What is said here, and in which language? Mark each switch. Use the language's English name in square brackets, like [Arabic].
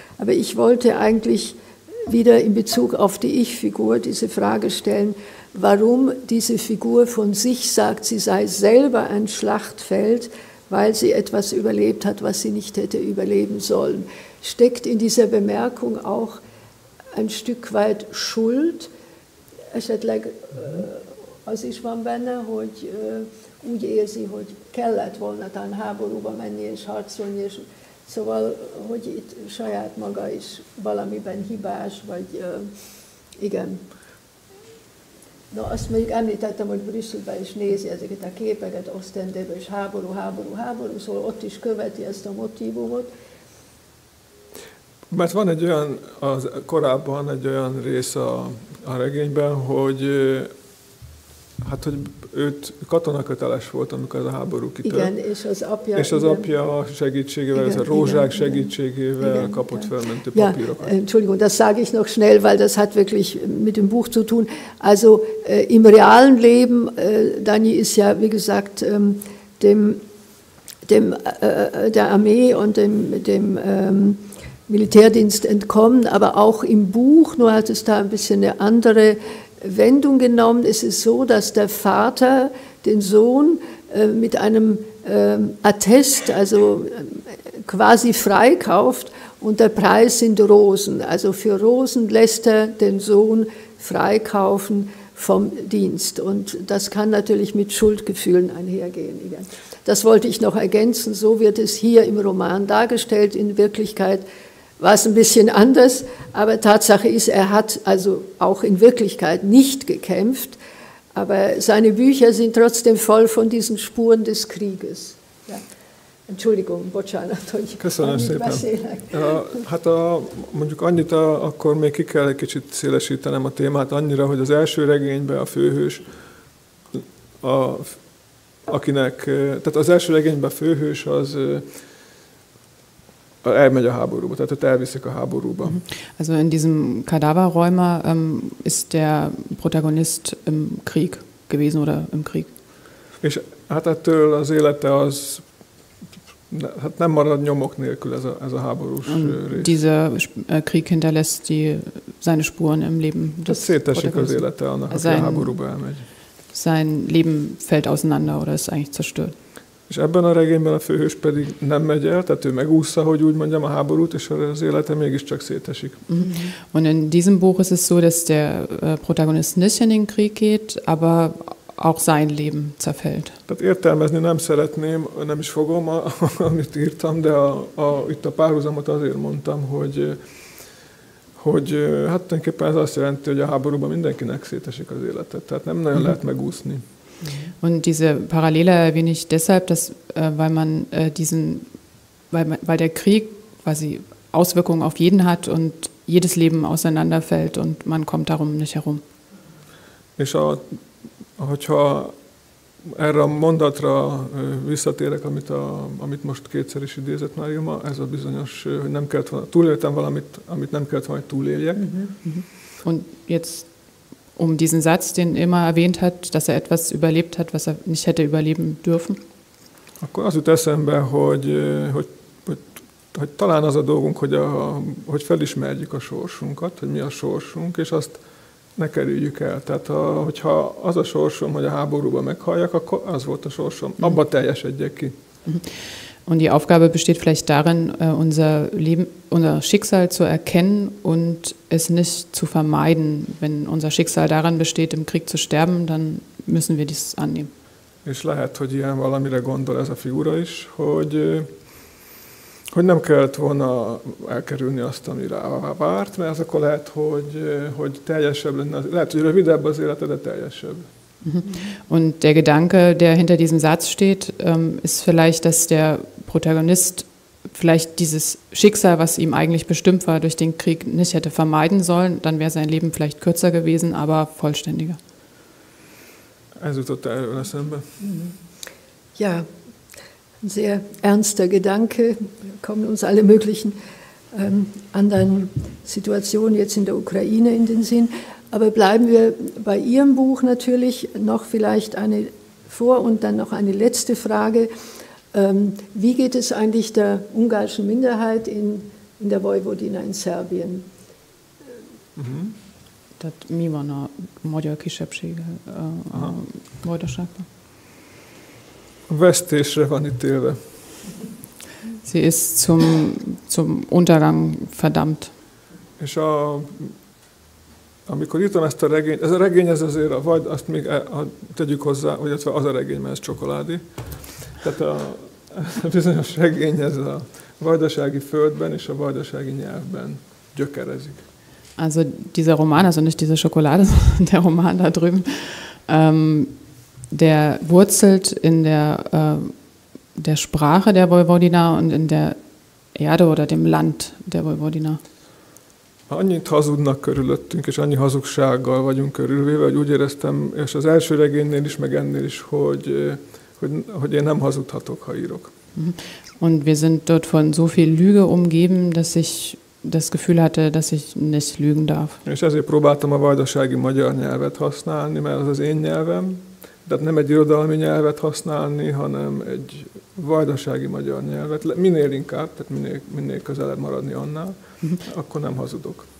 [German] Aber ich wollte eigentlich wieder in Bezug auf die Ich-Figur diese Frage stellen, warum diese Figur von sich sagt, sie sei selber ein Schlachtfeld, weil sie etwas überlebt hat, was sie nicht hätte überleben sollen. Steckt in dieser Bemerkung auch ein Stück weit Schuld? Es hat als ich war [Hungarian] benne, hogy úgy érzi, hogy kellett volna tan háborúba menni és harcolni, és szóval, hogy itt saját maga is valamiben hibás, vagy igen. No, azt mondjuk említettem, hogy Brüsszelben is nézi ezeket a képeket, Ostendében is háború, háború, háború, szóval ott is követi ezt a motívumot. Mert van egy olyan, korábban egy olyan rész a regényben, hogy hát, hogy őt katonaköteles volt, amikor ez a háború kitört. Igen, és az apja... És az apja segítségével, igen, ez a rózsák igen, segítségével igen, kapott igen. Felmentő papírokat. [German] Ja, Entschuldigung, das sage ich noch schnell, weil das hat wirklich mit dem Buch zu tun. Also im realen Leben, Dani ist ja, wie gesagt, der Armee und dem Militärdienst entkommen, aber auch im Buch, nur hat es da ein bisschen eine andere Wendung genommen, ist es so, dass der Vater den Sohn mit einem Attest, also quasi freikauft und der Preis sind Rosen. Also für Rosen lässt er den Sohn freikaufen vom Dienst. Und das kann natürlich mit Schuldgefühlen einhergehen. Das wollte ich noch ergänzen. So wird es hier im Roman dargestellt. In Wirklichkeit war es ein bisschen anders, aber Tatsache ist, er hat also auch in Wirklichkeit nicht gekämpft, aber seine Bücher sind trotzdem voll von diesen Spuren des Krieges. Ja. Entschuldigung, [Hungarian] Bocsánat, hogy annyit beszélek. Köszönöm szépen. Mondjuk annyit akkor még ki kell egy kicsit szélesítenem a témát annyira, hogy az első regényben a főhős, tehát az első regényben a főhős az... elmegy a háborúba, tehát ott elviszik a háborúba. [German] Also in diesem Kadaverräumer ist der Protagonist im Krieg gewesen oder im Krieg. [Hungarian] És hát ettől az élete az, hát nem marad nyomok nélkül ez a háborús rész. [German] Dieser Krieg hinterlässt seine Spuren im Leben. [Hungarian] Das szétesik az élete annak, aki a háborúba elmegy. [German] Sein Leben fällt auseinander oder ist eigentlich zerstört. [Hungarian] És ebben a regényben a főhős pedig nem megy el, tehát ő megúszta, hogy úgy mondjam, a háborút, és az élete mégiscsak szétesik. [German] Und in diesem Buch ist es so, dass der Protagonist nicht in den Krieg geht, aber auch sein Leben zerfällt. [Hungarian] Tehát értelmezni nem szeretném, nem is fogom, amit írtam, de itt a párhuzamot azért mondtam, hogy hát tulajdonképpen ez azt jelenti, hogy a háborúban mindenkinek szétesik az élete, tehát nem nagyon lehet megúszni. [German] Und diese Parallele erwähne ich deshalb, dass weil man diesen, weil der Krieg quasi Auswirkungen auf jeden hat und jedes Leben auseinanderfällt und man kommt darum nicht herum. [Hungarian] És hogyha erre a mondatra visszatérek, amit most kétszer is idézett már Ilma, ez a bizonyos, hogy nem kellett volna, túléltem valamit, amit nem kellett volna, hogy túléljek. [German] Und jetzt um diesen Satz, den Ilma erwähnt hat, dass er etwas überlebt hat, was er nicht hätte überleben dürfen. [Hungarian] Akkor az jut eszembe, hogy talán az a dolgunk, hogy felismerjük a sorsunkat, hogy mi a sorsunk, és azt ne kerüljük el. Tehát hogyha az a sorsom, hogy a háborúban meghalljak, akkor az volt a sorsom. Abba teljesedjek ki. [German] Und die Aufgabe besteht vielleicht darin, unser Leben, unser Schicksal zu erkennen und es nicht zu vermeiden. Wenn unser Schicksal darin besteht, im Krieg zu sterben, dann müssen wir dies annehmen. [Hungarian] És lehet, hogy ilyen valamire gondol ez a figura is, hogy nem kellett volna elkerülni azt, ami rá várt, mert az akkor lehet, hogy teljesebb lenne, lehet, hogy rövidebb az élete, de teljesebb. [German] Und der Gedanke, der hinter diesem Satz steht, ist vielleicht, dass der Protagonist vielleicht dieses Schicksal, was ihm eigentlich bestimmt war durch den Krieg, nicht hätte vermeiden sollen. Dann wäre sein Leben vielleicht kürzer gewesen, aber vollständiger. Also total unassemble. Ja, ein sehr ernster Gedanke. Wir kommen uns alle möglichen anderen Situationen jetzt in der Ukraine in den Sinn. Aber bleiben wir bei Ihrem Buch natürlich noch vielleicht eine Vor- und dann noch eine letzte Frage. Wie geht es eigentlich der ungarischen Minderheit in der Vojvodina in Serbien? [Hungarian] Das mimo na magyar kisebbsége, a vojvodaságban. Vesztésre van ítélve. [German] Sie ist zum Untergang verdammt. [Hungarian] És amikor írtam ezt a regényt, ez a regény, ez azért, vagy azt még tegyük hozzá, hogy az a regény, mert ez csokoládi. Tehát a bizonyos regény, ez a vajdasági földben és a vajdasági nyelvben gyökerezik. [German] Also dieser Roman, also nicht diese Schokolade, der Roman da drüben, der wurzelt in der Sprache der Vojvodina und in der Erde oder dem Land der Vojvodina. [Hungarian] Annyit hazudnak körülöttünk, és annyi hazugsággal vagyunk körülvéve, hogy úgy éreztem, és az első regénynél is, meg ennél is, hogy én nem hazudhatok, ha írok. [German] Und wir sind dort von so viel Lüge umgeben, dass ich das Gefühl hatte, dass ich nicht lügen darf. [Hungarian] És ezért próbáltam a vajdasági magyar nyelvet használni, mert az én nyelvem, de nem egy irodalmi nyelvet használni, hanem egy vajdasági magyar nyelvet, minél inkább, tehát minél közelebb maradni annál, akkor nem hazudok.